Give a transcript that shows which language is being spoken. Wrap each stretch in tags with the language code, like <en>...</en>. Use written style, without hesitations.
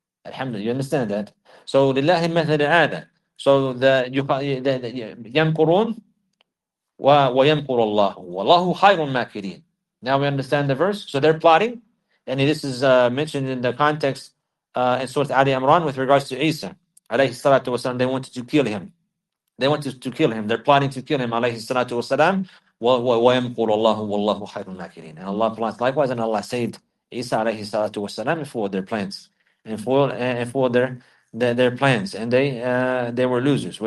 <en>Alhamdulillah. You understand that? So lillahi mathal al-'ala. So the yamkurun wa yamkur Allah.</en> <ar>Wallahu khayrun makirin.</ar> <en>Now we understand the verse. So they're plotting, and this is mentioned in the context in Surah Ali Imran with regards to Isa alayhi salatu wasalam. They wanted to kill him. They wanted to kill him. They're plotting to kill him alayhi salatu wasalam.</en> <ar>ويمقر الله والله خير الماكرين.</ar> <en>And Allah plans likewise, and Allah saved Isa alayhi salatu wasalam for their plans and for their plans, and they were losers.</en>